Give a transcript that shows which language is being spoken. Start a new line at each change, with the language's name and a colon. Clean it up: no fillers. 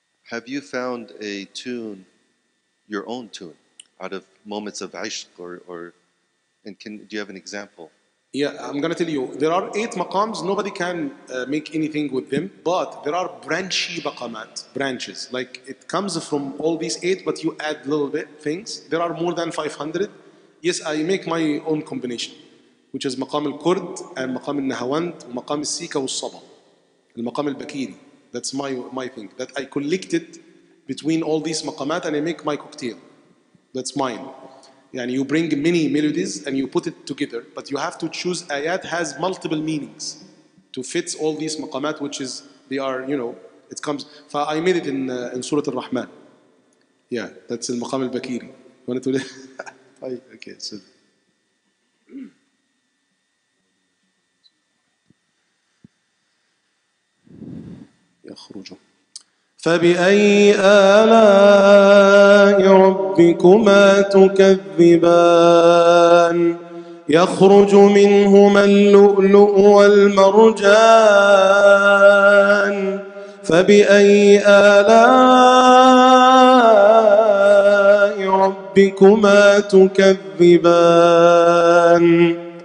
English: Have you found a tune, your own tune, out of moments of ishq or and can do you have an example? Yeah, I'm going to tell you. There are 8 maqams. Nobody can make anything with them. But there are branchy maqamat, branches. Like it comes from all these 8, but you add little bit things. There are more than 500. Yes, I make my own combination. Which is
Arabic: مقام الكرد and مقام النهواند ومقام السيكا والصبا المقام البكيري.
English: That's my thing that I collected between all these مقامات and I make my cocktail. That's mine. يعني you bring many melodies and you put it together, but you have to choose آيات has multiple meanings to fit all these مقامات, which is they are, you know, it comes. فI made it in سورة الرحمن. Yeah, that's المقام البكيري. Okay, so يخرج
Arabic: فبأي آلاء ربكما تكذبان يخرج منهما اللؤلؤ والمرجان فبأي آلاء ربكما تكذبان